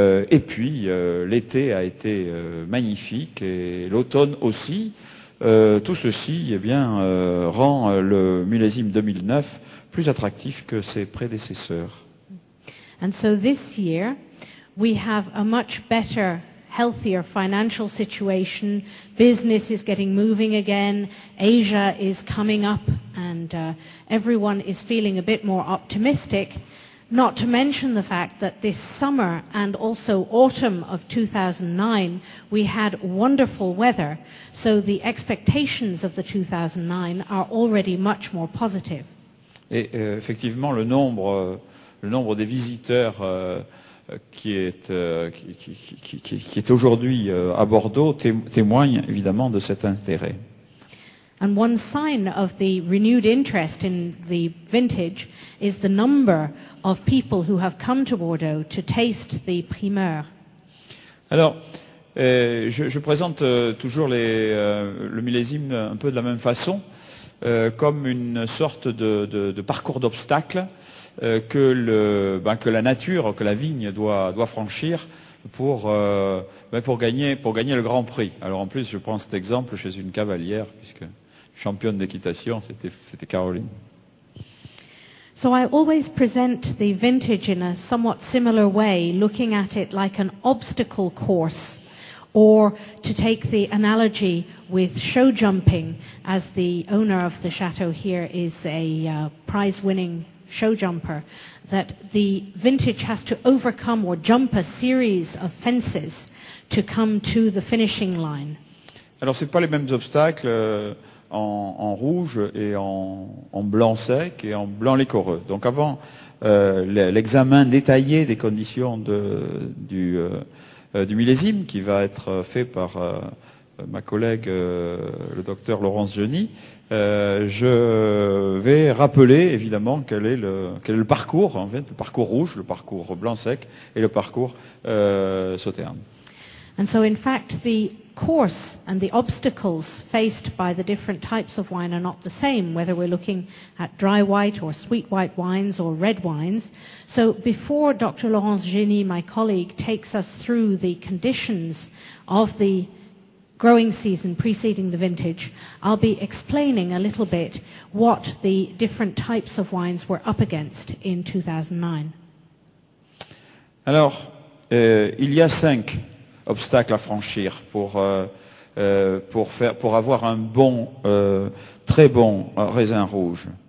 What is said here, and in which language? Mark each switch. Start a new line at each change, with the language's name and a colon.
French: Et puis, l'été a été magnifique et l'automne aussi. Tout ceci, eh bien, rend le millésime 2009 plus attractif que ses prédécesseurs.
English: And so this year, we have a much better, healthier financial situation. Business is getting moving again. Asia is coming up, and everyone is feeling a bit more optimistic. Not to mention the fact that this summer and also autumn of 2009, we had wonderful weather, so the expectations of the 2009 are already much more positive.
French: Et effectivement, le nombre des visiteurs qui est aujourd'hui à Bordeaux témoigne évidemment de cet intérêt.
English: And one sign of the renewed interest in the vintage is the number of people who have come to Bordeaux to taste the primeur.
French: Alors, je présente toujours le millésime un peu de la même façon, comme une sorte de parcours d'obstacles que la nature, que la vigne doit franchir pour gagner le Grand Prix. Alors en plus, je prends cet exemple chez une cavalière, puisque championne d'équitation, c'était Caroline.
English: So I always present the vintage in a somewhat similar way, looking at it like an obstacle course, or to take the analogy with show jumping, as the owner of the chateau here is a prize-winning show jumper, that the vintage has to overcome or jump a series of fences to come to the finishing line.
French: Alors c'est pas les mêmes obstacles en rouge et en blanc sec et en blanc liquoreux. Donc avant l'examen détaillé des conditions du millésime qui va être fait par ma collègue le docteur Laurence Genis, je vais rappeler évidemment quel est le parcours, en fait, le parcours rouge, le parcours blanc sec et le parcours sauterne.
English: And so in fact the course and the obstacles faced by the different types of wine are not the same, whether we're looking at dry white or sweet white wines or red wines. So before Dr. Laurence Genis, my colleague, takes us through the conditions of the growing season preceding the vintage, I'll be explaining a little bit what the different types of wines were up against in 2009.
French: Alors, il y a cinq obstacle à franchir pour avoir un bon, très bon raisin rouge.